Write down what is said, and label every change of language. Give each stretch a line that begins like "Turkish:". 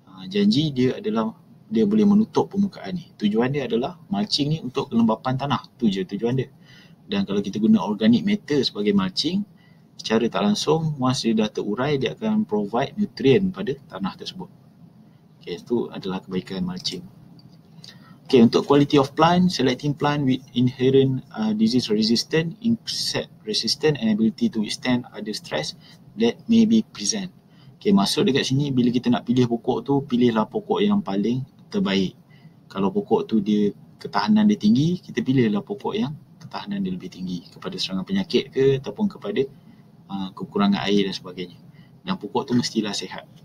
Malay: Janji dia adalah, dia boleh menutup permukaan ni. Tujuan dia adalah mulching ni untuk kelembapan tanah. Tu je tujuan dia. Dan kalau kita guna organic matter sebagai mulching, secara tak langsung, once dia dah terurai, dia akan provide nutrien pada tanah tersebut. Okay, itu adalah kebaikan mulching.
English: Okay, untuk quality of plant, selecting plant with inherent disease resistant, insect resistant and ability to withstand other stress that may be present.
Malay: Okay, maksud dekat sini, bila kita nak pilih pokok tu, pilihlah pokok yang paling terbaik. Kalau pokok tu dia ketahanan dia tinggi, kita pilihlah pokok yang ketahanan dia lebih tinggi kepada serangan penyakit ke ataupun kepada kekurangan air dan sebagainya. Dan pokok tu mestilah sihat.